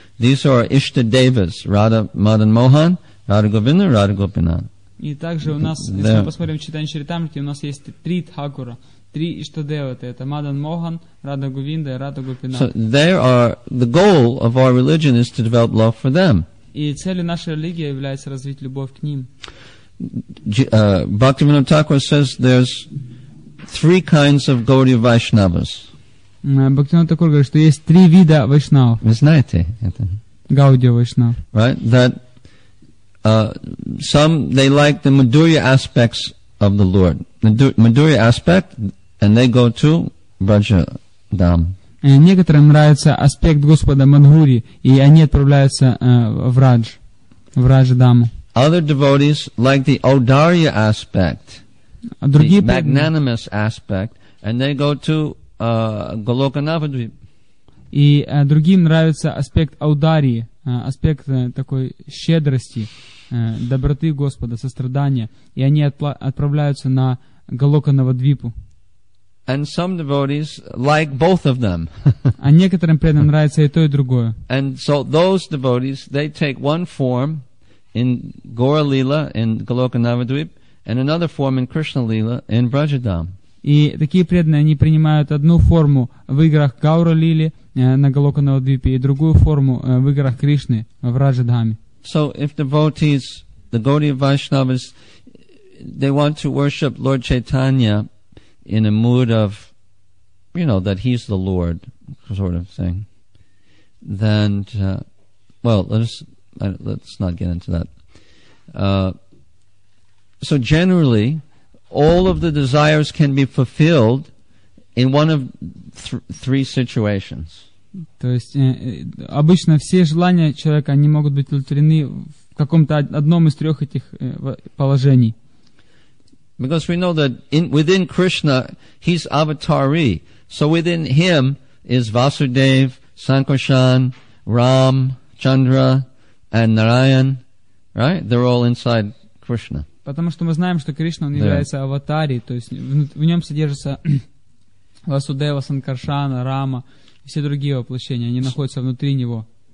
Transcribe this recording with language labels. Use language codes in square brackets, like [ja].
[en] These are Ishta Devas, Radha Madan Mohan, Radha Govinda, Radha Gopinath. [ru] И также у нас, если мы посмотрим читание Чаритамриты, у нас есть три Тхакура, три Ishta Devata. Это Madan Mohan, Radha Govinda, Radha Gopinath. [en] So they are the goal of our religion is to develop love for them. [ru] И целью нашей религии является развить любовь к ним. [en] Bhaktivinoda Thakur says there's three kinds of Gaudiya Vaishnavas. [ru] Бхактивинода Такур говорит, что есть три вида вайшнавов. Вы знаете это? Гаудия вайшнав. [en] Right? That some they like the Madhurya aspects of the Lord. Madhurya aspect, and they go to Braja Dham. [ru] Некоторым нравится аспект Господа Мадхури, и они отправляются в Радж Даму. [en] Other devotees like the Audarya aspect, the magnanimous aspect, and they go to Goloka Navadvip. [ru] И другим нравится аспект Аудари, аспект такой щедрости, доброты Господа, сострадания, и они отправляются на Голока Навадвипу. [en] And some devotees like both of them. [ru] А некоторым преданным нравится и то, и другое. [en] And so those devotees, they take one form in Gaura Lila, in Goloka Navadvip, and another form in Krishna Lila, in Brajadam. [ru] И такие преданные, они принимают одну форму в играх Гаура Лили на Голока Навадвипе и другую форму в играх Кришны в Раджа-дхаме. [en] So if devotees, the Gaudiya Vaishnavas, they want to worship Lord Chaitanya in a mood of, you know, that he's the Lord sort of thing, then, well, let's not get into that. So generally, all of the desires can be fulfilled in one of three situations. [ru] То есть обычно все желания человека не могут быть удовлетворены в каком-то одном из трех этих положений. [en] Because we know that within Krishna he's avatari, so within him is Vasudev, Sankarshan, Ram, Chandra, and Narayan, right? They're all inside Krishna. [ru] Потому что мы знаем, что Кришна, он является аватари, то есть в нем содержится Васудева, Санкаршана, Рама, все другие воплощения, они находятся внутри него.